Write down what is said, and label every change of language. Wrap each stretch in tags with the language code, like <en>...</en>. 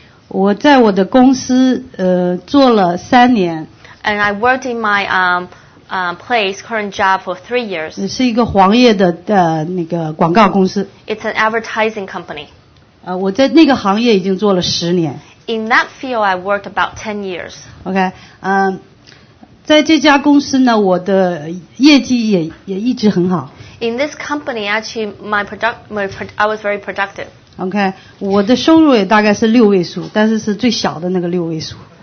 <zh>我在我的公司做了三年。</zh> <en>And I worked in my place, current job for 3 years.</en> <zh>是一个黄页的那个广告公司。</zh> <en>It's an advertising company.</en> <zh>我在那个行业已经做了十年。</zh> <en>In that field, I worked about 10 years.</en> <zh>Okay, 在这家公司呢，我的业绩也一直很好。</zh> <en>In this company, actually, I was very productive.</en> <zh>Okay, 我的收入也大概是六位数，但是是最小的那个六位数。</zh>